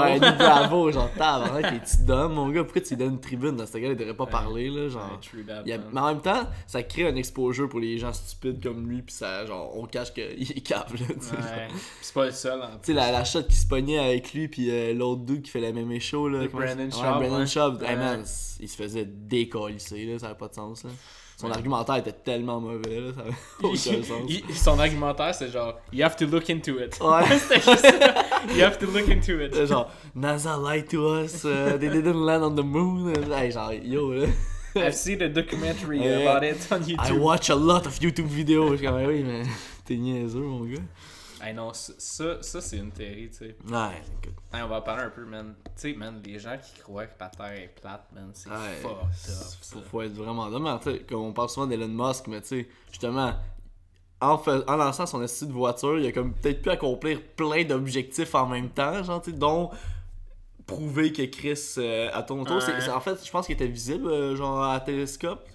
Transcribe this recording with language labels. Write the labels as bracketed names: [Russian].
[French] Ouais, Andy Bravo genre t'as qui est dumb mon gars, pourquoi tu lui donnes une tribune là, ce gars il devrait pas parler là genre mais en même temps ça crée un exposure pour les gens stupides comme lui puis ça genre on cache qu'il est câble là, ouais. C'est pas le seul en plus. La shot qui se pognait avec lui puis l'autre dude qui fait la même show là, Brandon Schaub, hey, man, il se faisait décolisser là, ça avait pas de sens là. Son argumentaire était tellement mauvais, là, ça avait aucun sens. Son argumentaire, c'est genre, [English] you have to look into it. [French] Ouais. C'était juste ça. [English] You have to look into it. [French] C'est genre, [English] NASA lied to us, they didn't land on the moon. Hey, genre, yo, là. I've seen a documentary about it on YouTube. I watch a lot of YouTube videos. [French] Je suis comme, oui, mais t'es niaiseux, mon gars. Hey, non, ça c'est une théorie, tu sais. Ouais, écoute. Hey, on va parler un peu, man. Tu sais, man, les gens qui croient que la Terre est plate, man, c'est fucked up. Faut être vraiment dommage, tu sais. Comme on parle souvent d'Elon Musk, mais tu sais, justement, en lançant son essai de voiture, il a comme peut-être pu accomplir plein d'objectifs en même temps, genre, tu sais, dont prouver que Chris à Toronto, c'est en fait, je pense qu'il était visible, genre, à télescope.